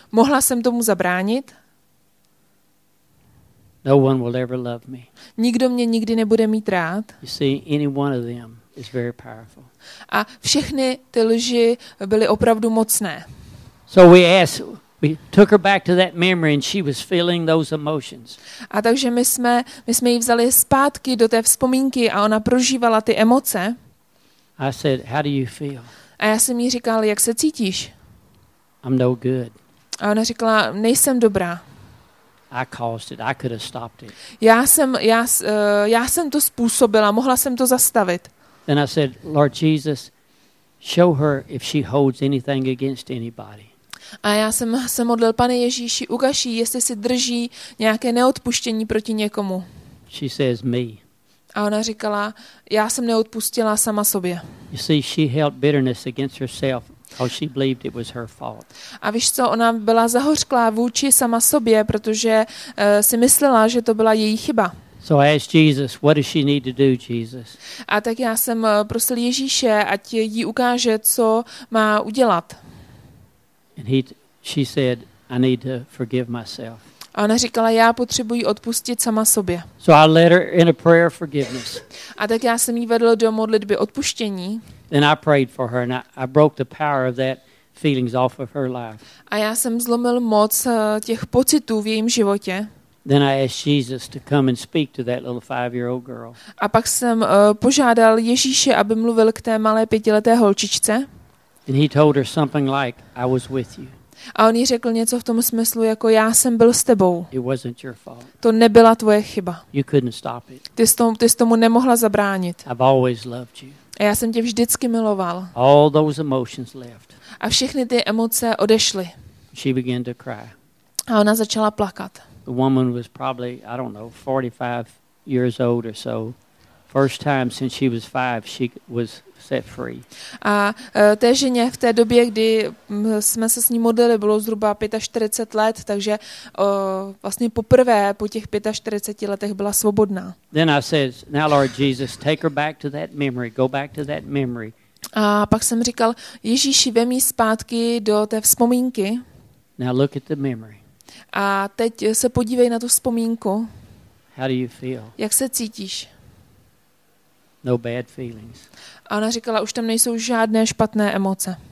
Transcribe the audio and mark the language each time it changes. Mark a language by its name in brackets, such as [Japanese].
[Czech] Mohla jsem tomu zabránit. [English] No one will ever love me. [Czech] Nikdo mě nikdy nebude mít rád. [English] You see, any one of them. is very powerful. [Czech] A všechny ty lži byly opravdu mocné. [English] So we asked, we took her back to that memory and she was feeling those emotions. [Czech] A takže my jsme ji vzali zpátky do té vzpomínky a ona prožívala ty emoce. [English] I said, how do you feel? [Czech] A já jsem jí říkal, jak se cítíš? [English] I'm no good. [Czech] A ona říkala, nejsem dobrá. [English] I caused it. I could have stopped it. [Czech] Já jsem to způsobila, mohla jsem to zastavit. [English] Then I said, Lord Jesus, show her if she holds anything against anybody. [Czech] A já jsem se modlil, Pane Ježíši, ukaž jí, jestli si drží nějaké neodpuštění proti někomu. [English] She says me. [Czech] A ona říkala, já jsem neodpustila sama sobě. [English] You see, she held bitterness against herself. Oh, she believed it was her fault. [Czech] A víš co, ona byla zahořklá vůči sama sobě, protože si myslela, že to byla její chyba. [English] So I asked Jesus, what does she need to do, Jesus? [Czech] A tak já jsem prosil Ježíše, ať jí ukáže, co má udělat. [English] And she said, I need to forgive myself. [Czech] A ona říkala, já potřebuji odpustit sama sobě. [English] So I led her in a prayer of forgiveness. [Czech] A tak já jsem jí vedl do modlitby odpuštění. [English] And I prayed for her and I broke the power of that feelings off of her life. [Czech] A já jsem zlomil moc těch pocitů v jejím životě. [English] Then I asked Jesus to come and speak to that little 5-year-old girl. [Czech] A pak jsem požádal Ježíše, aby mluvil k té malé 5leté holčičce. [English] And he told her something like, I was with you. [Czech] A on jí řekl něco v tom smyslu, jako já jsem byl s tebou. [English] It wasn't your fault. [Czech] To nebyla tvoje chyba. [English] You couldn't stop it. [Czech] Ty jsi tomu nemohla zabránit. [English] I've always loved you. [Czech] A já jsem tě vždycky miloval. [English] All those emotions left. [Czech] A všechny ty emoce odešly. [English] She began to cry. [Czech] A ona začala plakat. [English] The woman was probably, I don't know, 45 years old or so. First time since she was 5, she was set free. [Czech] A té ženě v té době, kdy jsme se s ní modlili, bylo zhruba 45 let, takže vlastně poprvé po těch 45 letech byla svobodná. [English] Then I said, now Lord Jesus, take her back to that memory, go back to that memory. [Czech] A pak jsem říkal, Ježíši, vem jí zpátky do té vzpomínky. [English] Now look at the memory. [Czech] A teď se podívej na tu vzpomínku. [English] How do you feel? [Czech] Jak se cítíš? [English] No bad feelings. [Czech] A ona říkala, už tam nejsou žádné špatné emoce.